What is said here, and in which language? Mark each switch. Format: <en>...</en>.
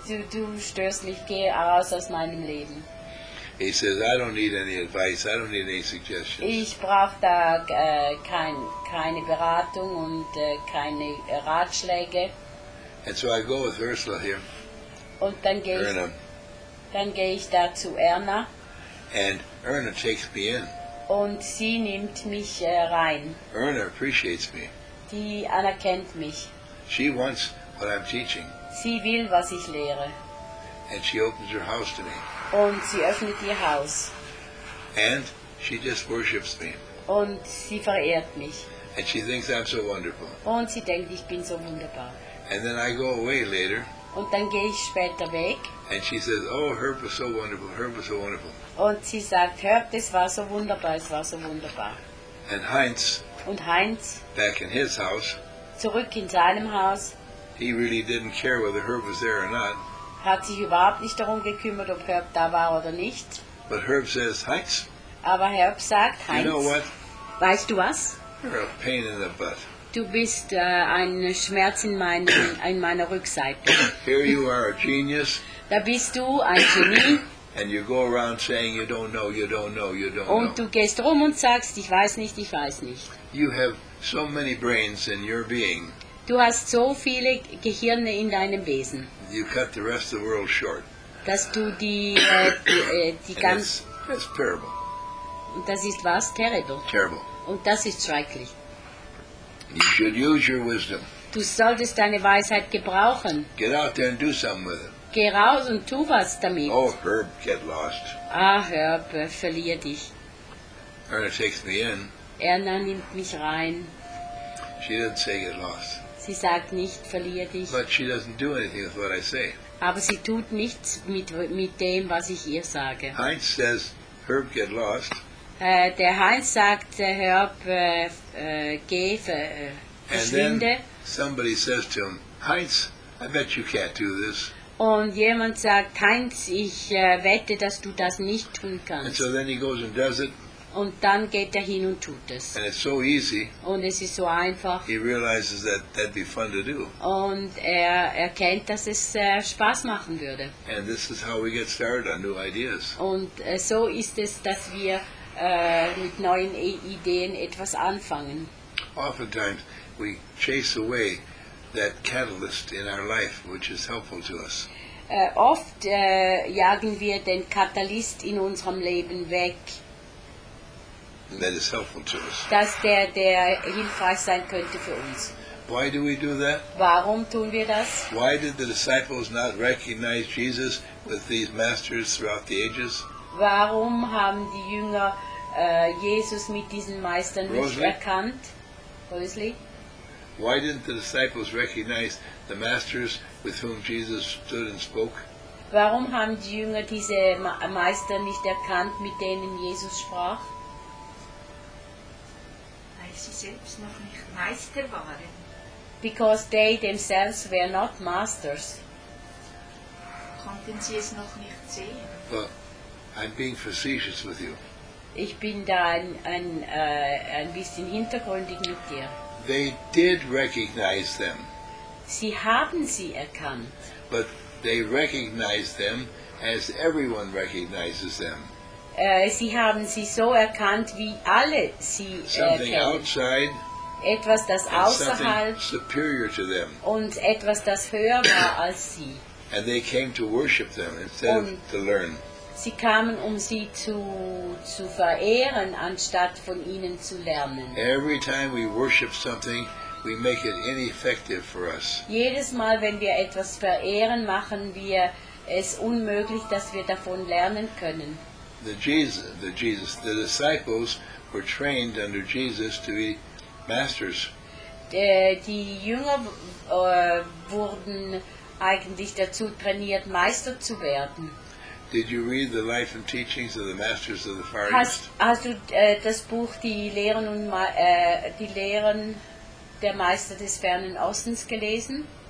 <de>Du störst mich, geh raus aus meinem Leben.</de> <en>He says, I don't need any advice, I don't need any suggestions.</en> <de>Ich brauche da keine Beratung und keine Ratschläge.</de> <en>And so I go with Ursula here.</en> <de>Und dann gehe ich da zu Erna.</de> <en>And Erna takes me in.</en> <de>Und sie nimmt mich rein.</de> <en>Erna appreciates me.</en> <de>Die anerkennt mich.</de> <en>She wants what I'm teaching.</en> <de>Sie will, was ich lehre.</de> <en>And she opens her house to me.</en> <de>Und sie öffnet ihr Haus.</de> <en>And she just worships me.</en> <de>Und sie verehrt mich.</de> <en>And she thinks I'm so wonderful.</en> <de>Und sie denkt, ich bin so wunderbar.</de> <en>And then I go away later.</en> <de>Und dann gehe ich später weg.</de> <en>And she says, oh, Herb was so wonderful, Herb was so wonderful.</en> <de>Und sie sagt, Herb, das war so wunderbar, es war so wunderbar.</de> <en>And Heinz,</en> <de>und Heinz,</de> <en>back in his house,</en> <de>zurück in seinem Haus,</de> <en>he really didn't care whether Herb was there or not.</en> <de>Hat sich überhaupt nicht darum gekümmert, ob Herb da war oder nicht.</de> <en>But Herb says, Heinz.</en> <de>Aber Herb sagt, Heinz.</de> <en>You know what?</en> <de>Weißt du was?</de> <en>You're a pain in the butt.</en> <de>Du bist ein Schmerz in meiner Rückseite.</de> <en>Here you are, a genius.</en> <de>Da bist du ein Genie.</de> <en>And you go around saying you don't know, you don't know, you don't</en> <de>und</de> <en>know.</en> <de>Und du gehst rum und sagst, ich weiß nicht, ich weiß nicht.</de> <en>You have so many brains in your being.</en> <de>Du hast so viele Gehirne in deinem Wesen.</de> <en>You cut the rest of the world short.</en> <de>Dass du die ganze.</de> <en>That's terrible.</en> <de>Und das ist was?</de> <en>Terrible. Terrible.</en> <de>Und das ist schrecklich.</de> <en>You should use your wisdom.</en> <de>Du solltest deine Weisheit gebrauchen.</de> <en>Get out there and do something with it.</en> <de>Geh raus und tu was damit.</de> <en>Oh, Herb, get lost.</en> <de>Ah, Herb, verlier dich.</de> <en>Erna takes me in.</en> <de>Erna nimmt mich rein.</de> <en>She didn't say get lost.</en> <de>Sie sagt nicht, verlier dich.</de> <en>But she doesn't do anything with what I say.</en> <de>Aber sie tut nichts mit dem, was ich ihr sage.</de> <en>Heinz says, Herb, get lost.</en> <de>Der Heinz sagt, Herb, geh, verschwinde.</de> <en>And then somebody says to him, Heinz, I bet you can't do this.</en> <de>Und jemand sagt, Heinz, ich wette, dass du das nicht tun kannst.</de> <en>And so then he goes and does it.</en> <de>Und dann geht er hin und tut es.</de> <en>And it's so easy.</en> <de>Und es ist so einfach.</de> <en>He realizes that that'd be fun to do.</en> <de>Und er erkennt, dass es Spaß machen würde.</de> <en>And this is how we get started on new ideas.</en> <de>Und so ist es, dass wir mit neuen Ideen etwas anfangen.</de> <en>Oftentimes we chase away that catalyst in our life, which is helpful to us.</en> <de>Oft jagen wir den Katalyst in unserem Leben weg.</de> <en>That is helpful to us.</en> <de>Dass der hilfreich sein könnte für uns.</de> <en>Why do we do that?</en> <de>Warum tun wir das?</de> <en>Why did the disciples not recognize Jesus with these masters throughout the ages?</en> <de>Warum haben die Jünger Jesus mit diesen Meistern nicht erkannt? Rosely?</de> <en>Why didn't the disciples recognize the masters with whom Jesus stood and spoke?</en> <de>Warum haben die Jünger diese Meister nicht erkannt, mit denen Jesus sprach? Weil sie selbst noch nicht Meister waren.</de> <en>Because they themselves were not masters.</en> <de>Konnten sie es noch nicht sehen?</de> <en>Well, I'm being facetious with you.</en> <de>Ich bin da ein bisschen hintergründig mit dir.</de> <en>They did recognize them.</en> <de>Sie haben sie erkannt.</de> <en>But they recognized them as everyone recognizes them.</en> <de>Sie haben sie so erkannt, wie alle sie erkennen.</de> <en>Something outside.</en> <de>Etwas, das außerhalb.</de> <en>Superior to them.</en> <de>Und etwas, das höher war als sie.</de> <en>And they came to worship them instead of to learn.</en> <de>Sie kamen, um sie zu verehren, anstatt von ihnen zu lernen.</de> <en>Every time we worship something, we make it ineffective for us.</en> <de>Jedes Mal, wenn wir etwas verehren, machen wir es unmöglich, dass wir davon lernen können.</de> <en>The disciples were trained under Jesus to be masters.</en> <de>Die Jünger wurden eigentlich dazu trainiert, Meister zu werden.</de> <en>Did you read the life and teachings of the masters of the Far East?</en> <de>Hast du das Buch die Lehren der Meister des Fernen Ostens gelesen?</de>